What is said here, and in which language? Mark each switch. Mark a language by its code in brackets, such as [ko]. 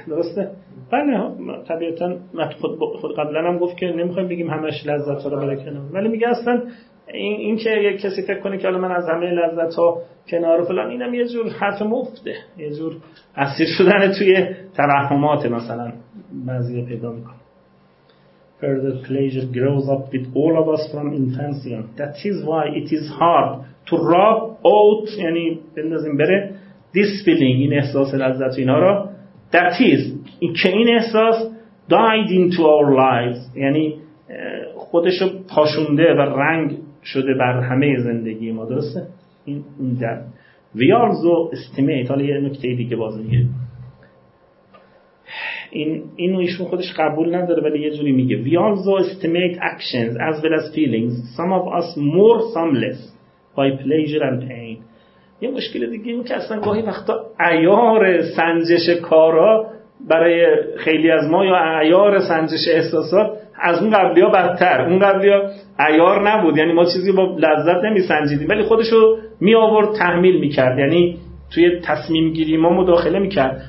[fa] درسته؟ بله، طبیعتا خود قبلا هم گفت که نمیخوایم بگیم همش لذت ها رو بره کنار، ولی میگه اصلا این که یک کسی فکر کنه که حالا من از همه لذت ها کنار و فلان، اینم یه جور حرف مفته، یه جور اسیر شدن توی توهمات مثلا بعضی پیدا میکنه. [en] Further pleasure grows up with all of us from infancy. That is why it is hard to rub out, [fa] یعنی بندازیم بره، [en] this feeling، [fa] این احساس لذت اینا رو. [en] That is [fa] که این احساس [en] died into our lives، [fa] یعنی خودشو پاشونده و رنگ شده بر همه زندگی ما. درسته؟ این در [en] we also estimate، [fa] حالا یه نکته دیگه باز میگه، اینو ایشون خودش قبول نداره ولی یه جوری میگه، [en] we also estimate actions as well as feelings some of us more some less by pleasure and pain. [fa] یه مشکل دیگه اینه که اصلا گاهی وقتا عیار سنجش کارا برای خیلی از ما یا عیار سنجش احساسات از اون قبلی ها بدتر، اون قبلی ها عیار نبود، یعنی ما چیزی با لذت نمی سنجیدیم ولی خودشو می آورد تحمیل می کرد، یعنی توی تصمیم گیری ما مداخله می کرد.